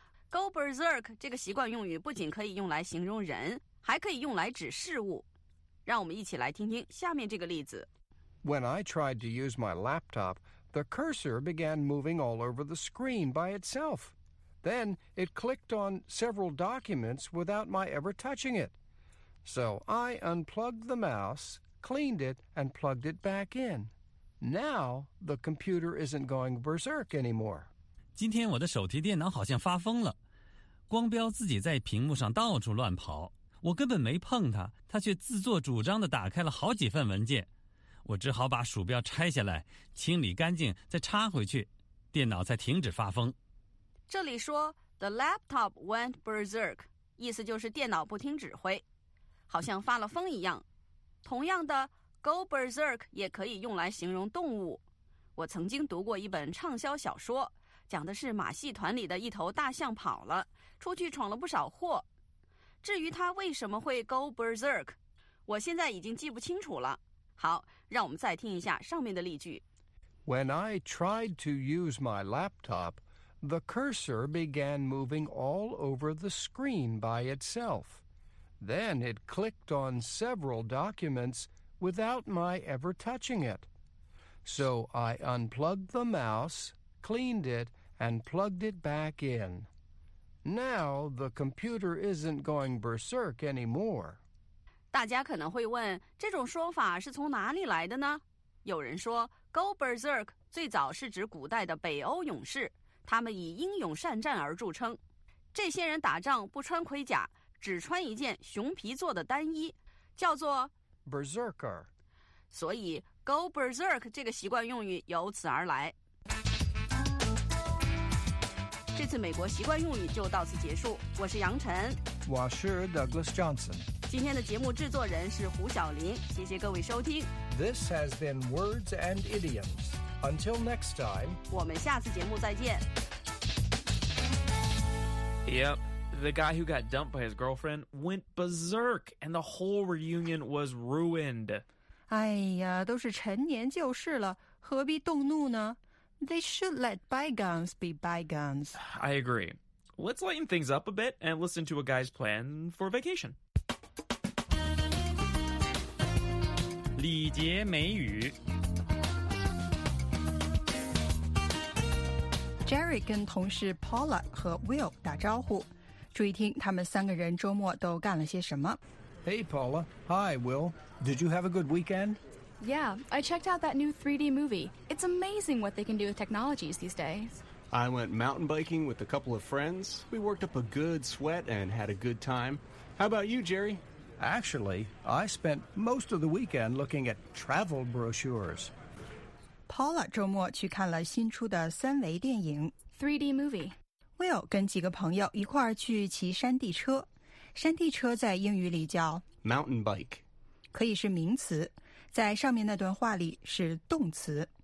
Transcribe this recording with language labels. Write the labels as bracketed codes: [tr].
[zh] Go berserk 这个习惯用语不仅可以用来形容人，还可以用来指事物。让我们一起来听听下面这个例子。 [en] When I tried to use my laptop, the cursor began moving all over the screen by itself. Then it clicked on several documents without my ever touching it. So I unplugged the mouse, cleaned it, and plugged it back in. Now the computer isn't going berserk anymore. [zh] 今天我的手提电脑好像发疯了，光标自己在屏幕上到处乱跑，我根本没碰它，它却自作主张地打开了好几份文件，我只好把鼠标拆下来清理干净再插回去，电脑才停止发疯。这里说 [en] The laptop went berserk [zh] 意思就是电脑不听指挥，好像发了疯一样。同样的 Go berserk 也可以用来形容动物。我曾经读过一本畅销小说，讲的是马戏团里的一头大象跑了，出去闯了不少祸。至于它为什么会 go berserk， 我现在已经记不清楚了。好，让我们再听一下上面的例句。 [en] When I tried to use my laptop, the cursor began moving all over the screen by itself. Then it clicked on several documents without my ever touching it. So I unplugged the mouse, cleaned it,and plugged it back in. Now the computer isn't going berserk anymore. [zh] 大家可能会问，这种说法是从哪里来的呢？有人说 ，go berserk 最早是指古代的北欧勇士，他们以英勇善战而著称。这些人打仗不穿盔甲，只穿一件熊皮做的单衣，叫做 [en] berserker。 [zh] 所以 go berserk 这个习惯用语由此而来。这次美国习惯用语就到此结束，我是杨晨，我是 Douglas Johnson，今天的节目制作人是胡晓林，谢谢各位收听。 [en] This has been Words and Idioms. Until next time， [zh] 我们下次节目再见。 [en] Yep, the guy who got dumped by his girlfriend went berserk and the whole reunion was ruined. [zh] 哎呀，都是陈年旧事了，何必动怒呢？ [en] They should let bygones be bygones. I agree. Let's lighten things up a bit and listen to a guy's plan for vacation. [zh] 礼节美语。 Jerry 跟同事 Paula 和 Will 打招呼，注意听他们三个人周末都干了些什么。 [en] Hey Paula. Hi Will. Did you have a good weekend? Yeah, I checked out that new 3D movie. It's amazing what they can do with technologies these days. I went mountain biking with a couple of friends. We worked up a good sweat and had a good time. How about you, Jerry? Actually, I spent most of the weekend looking at travel brochures. [zh] Paula 周末去看了新出的三维电影 [en] 3D movie. [zh] Will 跟几个朋友一块儿去骑山地车。山地车在英语里叫 [en] mountain bike. [zh] 可以是名词。在上面那段话里是动词。